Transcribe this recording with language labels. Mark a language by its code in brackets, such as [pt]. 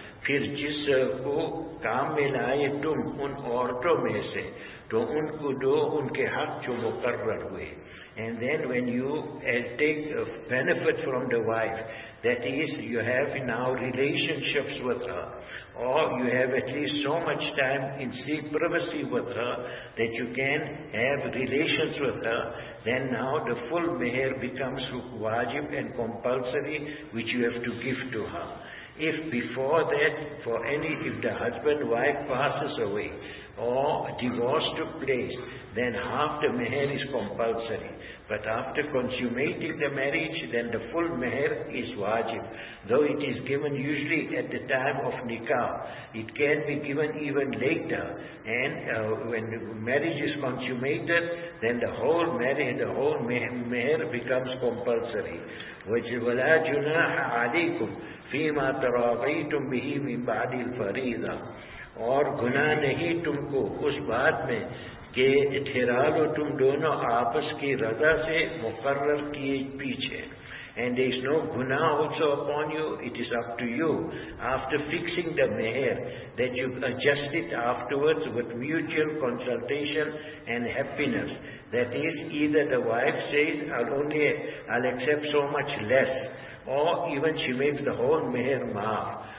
[ur] پھر جس کو کام میں لائے تم ان عورتوں میں سے تو ان کو دو ان کے حق جو مقرر ہوئے. [en] And then when you take benefit from the wife, That is, you have now relationships with her, or you have at least so much time in sleep privacy with her that you can have relations with her, then now the full mehr becomes wajib and compulsory, which you have to give to her. If before that, if the husband wife passes away or divorce took place, then half the mehr is compulsory. But after consummating the marriage, then the full mehr is wajib. Though it is given usually at the time of nikah, it can be given even later. And when marriage is consummated, then the whole marriage, the whole mehr becomes compulsory. [ar] وَجِوَلَا جُنَاحَ عَلَيْكُمْ فِي مَا تَرَاغَيْتُمْ بِهِ مِنْ بَعْدِ الْفَرِيضَةِ. [ur] اور گناہ نہیں تم کو اس بات میں کہ ٹھہرا لو تم دونوں آپس کی رضا سے مقرر کیے پیچھے. [en] And there is no guna also upon you, it is up to you after fixing the mehr that you adjust it afterwards with mutual consultation and happiness. That is, either the wife says, I'll accept so much less, or even she makes the whole mehr maaf.